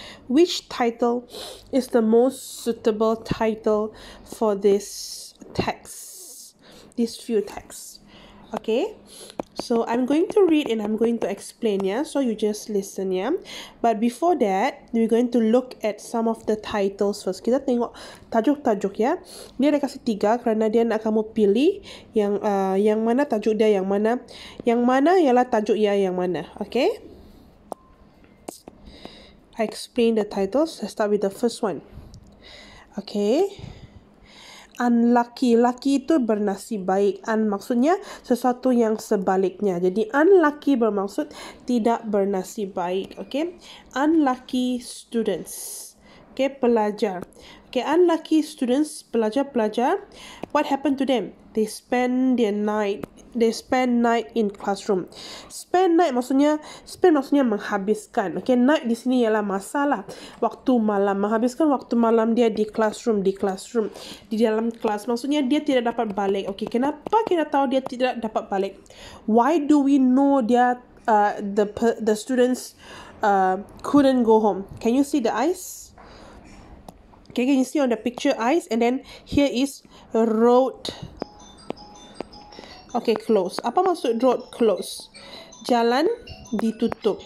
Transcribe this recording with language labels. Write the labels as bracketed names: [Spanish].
[English] Which title is the most suitable title for this text? This few texts. Okay? So, I'm going to read and I'm going to explain, yeah? So, you just listen, yeah? But before that, we're going to look at some of the titles first. [Malay] Kita tengok tajuk-tajuk, ya? Dia ada kasih tiga kerana dia nak kamu pilih yang mana tajuk dia, yang mana. Yang mana ialah tajuk ya, yang mana. Okay? [English] I explain the titles. Let's start with the first one. Okay? Unlucky. [Malay] Lucky itu bernasib baik. Un maksudnya sesuatu yang sebaliknya. Jadi, unlucky bermaksud tidak bernasib baik. Okay. [English] Unlucky students. Okay, pelajar. Okay, unlucky students, pelajar-pelajar. What happened to them? They spend night in classroom. [Malay] Spend night maksudnya menghabiskan. Okay, night di sini ialah masalah. Waktu malam, menghabiskan waktu malam dia di classroom. Di dalam kelas, maksudnya dia tidak dapat balik. Okay, kenapa kita tahu dia tidak dapat balik? [English] Why do we know dia, the students couldn't go home? Can you see the eyes? Okay, can you see on the picture eyes? And then here is road. Okay, close. [Malay] Apa maksud road close? Jalan ditutup.